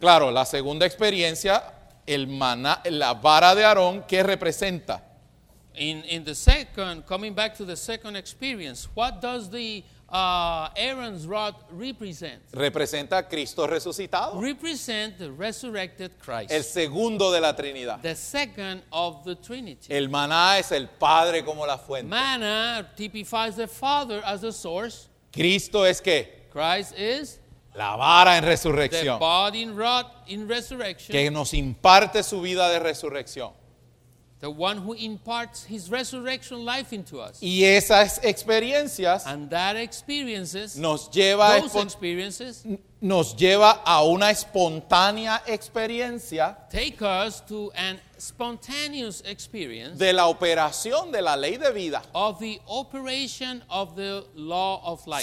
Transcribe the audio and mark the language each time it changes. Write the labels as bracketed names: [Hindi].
[Spanish] Claro, la segunda experiencia, el maná, la vara de Aarón, ¿qué representa? [English] In the second, coming back to the second experience, what does the Aaron's rod represent? [Spanish] Representa a Cristo resucitado. [English] Represent the resurrected Christ. [Spanish] El segundo de la Trinidad. [English] The second of the Trinity. [Spanish] El maná es el Padre como la fuente. [English] Manna typifies the Father as the source. [Spanish] Cristo es qué? [English] Christ is [Spanish] la vara en resurrección. [English] The body and rod in resurrection. [Spanish] Que nos imparte su vida de resurrección. [English] The one who imparts his resurrection life into us. [Spanish] Y esas experiencias. [English] And that experiences. [Spanish] Nos lleva [English] those experiences. [Spanish] Nos lleva a una espontánea experiencia. [English] Take us to an spontaneous experience. De la operación de la ley de vida. Of the operation of the law of life.